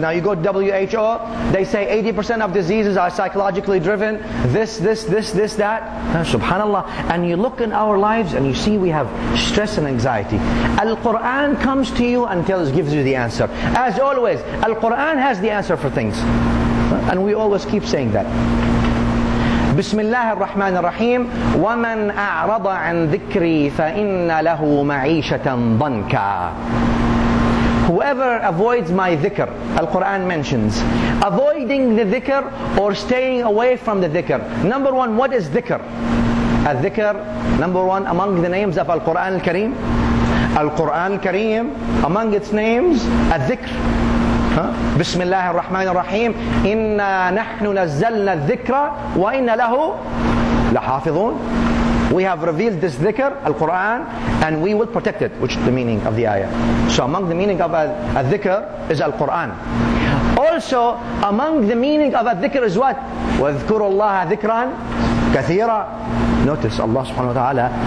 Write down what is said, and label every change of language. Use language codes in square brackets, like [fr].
[en] Now you go to WHO, they say 80% of diseases are psychologically driven, this, that. SubhanAllah. And you look in our lives and you see we have stress and anxiety. Al-Quran comes to you and gives you the answer. As always, Al-Quran has the answer for things. And we always keep saying that. [ar] بسم الله الرحمن الرحيم ومن أعرض عن ذكري فإن له معيشة ضنكا. [en] Whoever avoids my dhikr, Al-Quran mentions, avoiding the dhikr or staying away from the dhikr. Number one, what is dhikr? Al-dhikr, number one, among the names of Al-Quran al-Kareem. Al-Quran al-Kareem, among its names, al-dhikr. [ar] بسم الله الرحمن الرحيم إنا نحن نزلنا الذكر وإنا له لحافظون. [en] We have revealed this dhikr, Al-Quran, and we will protect it, which is the meaning of the ayah. So among the meaning of a dhikr is Al-Quran. Also, among the meaning of a dhikr is what? [ar] وَذْكُرُوا اللَّهَ ذِكْرًا كَثِيرًا. [en] Notice Allah subhanahu wa ta'ala.